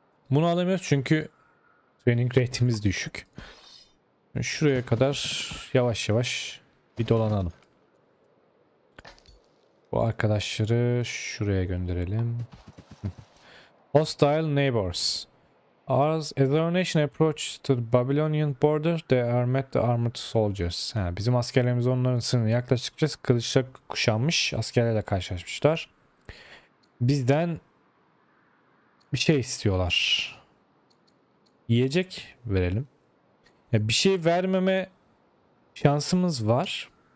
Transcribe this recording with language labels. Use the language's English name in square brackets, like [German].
[Turkish] Bunu alamıyoruz çünkü training rate'imiz düşük. Şuraya kadar yavaş yavaş bir dolanalım. Bu arkadaşları şuraya gönderelim. [English] Hostile neighbors. As the nation approached the Babylonian border, they are met the armored soldiers. [Turkish] Ha, bizim askerlerimiz onların sınırına yaklaştıkça kılıçla kuşanmış askerlerle karşılaşmışlar. Bizden bir şey istiyorlar. Yiyecek verelim. Ya bir şey vermeme şansımız var.